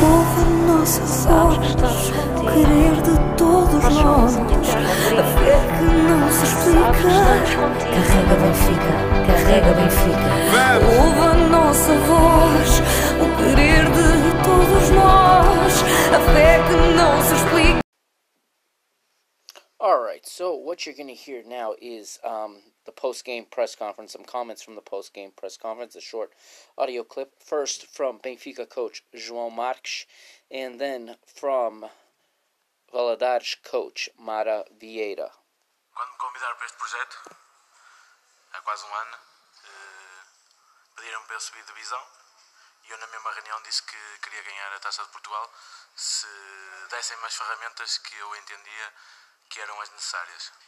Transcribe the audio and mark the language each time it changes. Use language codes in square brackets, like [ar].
[pt] Ouve a nossa voz, o querer de todos nós. A fé que não se explica, carrega Benfica, carrega Benfica. Vamos. Ouve a nossa voz, o querer de todos nós. A fé que não se explica. [en] Alright, so what you're going to hear now is the post-game press conference, some comments from the post-game press conference, a short audio clip, first from Benfica coach João Marques, and then from Valadares coach Mara Vieira. [pt] Quando me convidaram para este projeto, há quase um ano, pediram-me para eu subir de divisão, e eu na mesma reunião disse que queria ganhar a Taça de Portugal se dessem mais ferramentas que eu entendia que eram as necessárias.